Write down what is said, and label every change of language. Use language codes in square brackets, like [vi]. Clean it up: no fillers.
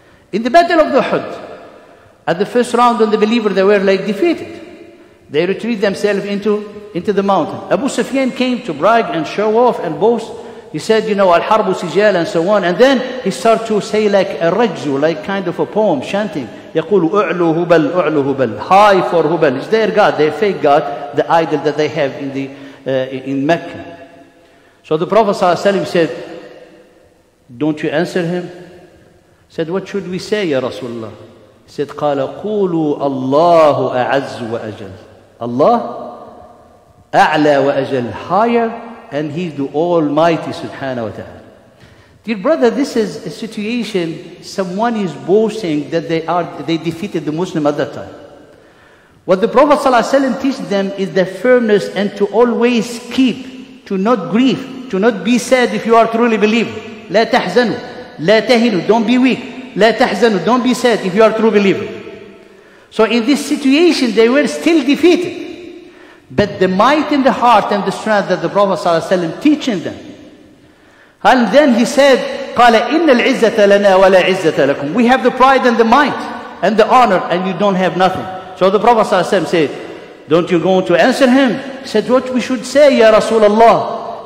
[en] In the battle of the Uhud, at the first round of the believer, they were like defeated. They retreat themselves into the mountain. Abu Sufyan came to brag and show off and boast. He said, you know, [ar] Al-Harbu Sijal [en] and so on. And then he started to say like a rajzu, like kind of a poem, chanting. [ar] يقول أعلو هبل أعلو هبل, [en] high for [ar] هبل. [en] It's their God, their fake God, the idol that they have in Mecca. So the Prophet ﷺ said, don't you answer him? He said, what should we say, Ya Rasulullah? He said, [ar] قال قولوا الله أعز وأجل. Allah, أعلى وأجل, [en] higher. And He's the Almighty, subhanahu wa ta'ala. Dear brother, this is a situation, someone is boasting that they defeated the Muslim at that time. What the Prophet sallallahu alaihi wasallam teaches them is the firmness and to always keep, to not grieve, to not be sad if you are truly believer. [ar] لَا تَحْزَنُوا لَا تَهِنُوا, [en] don't be weak. [ar] لَا تَحْزَنُوا, [en] don't be sad if you are true believer. So in this situation, they were still defeated. But the might in the heart and the strength that the Prophet sallallahu alaihi wasallam teaching them. And then he said, [ar] قَالَ إِنَّ الْعِزَّةَ لَنَا وَلَا عِزَّةَ لَكُمْ. [en] We have the pride and the might and the honor, and you don't have nothing. So the Prophet sallallahu alaihi wasallam said, don't you go to answer him? He said, what we should say, Ya Rasulullah?